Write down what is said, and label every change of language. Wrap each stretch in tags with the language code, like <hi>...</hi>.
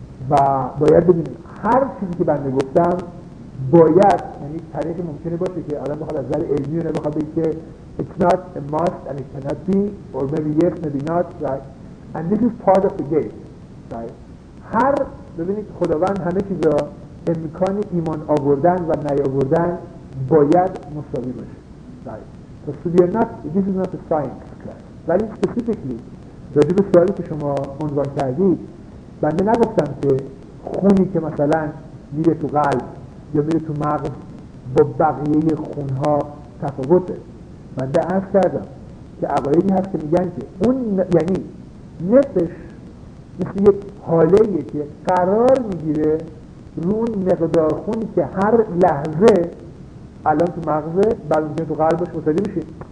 <fa>و باید ببینیم هر چیزی که بنده گفتم باید، یعنی طریق ممکنه باشه که آدم بخواد از نظر علمی رو بخواد بگه که</fa> <en>it's not a must and it cannot be or maybe yes maybe not right and this is part of the game right.</en> <fa>هر ببینید خداوند همه چیزا امکان ایمان آوردن و نیاوردن باید مساوی باشه right.</fa> <en>So we are not, this is not a science class.</en> <fa>ولی specifically راجع به سوالی که شما عنوان کردید بنده نگفتم که خونی که مثلا میره تو قلب یا میره تو مغز با بقیه خونها تفاوته. من ده عرض کردم که عقایدی هست که میگن که اون یعنی نفسش مثل یک حالهیه که قرار میگیره رو اون مقدار خونی که هر لحظه الان تو مغزه بعد اونجا تو قلبش متعدی میشه.</fa>